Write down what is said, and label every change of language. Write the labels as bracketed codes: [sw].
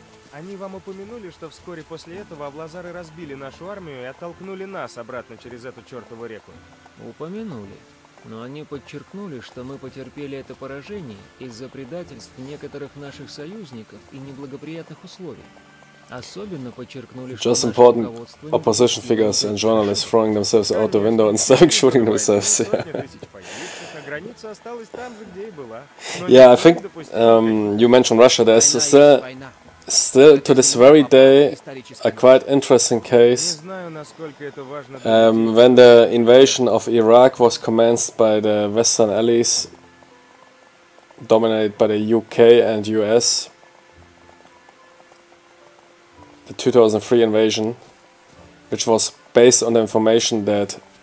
[ru] Они вам упомянули, что вскоре после этого Авлазары разбили нашу армию и оттолкнули нас обратно через эту чертову реку? Упомянули. Но они подчеркнули, что мы потерпели это поражение из-за предательств некоторых наших союзников и неблагоприятных условий. Особенно подчеркнули, что [en] just important opposition figures and journalists throwing themselves out the window and starting shooting themselves. [ru] Граница осталась там же, где и была. [en] Yeah, I think you mentioned Russia. There's still to this very day a quite interesting case when the invasion of Iraq was commenced by the Western Allies, dominated by the UK and US, the 2003 invasion, which was based on the information that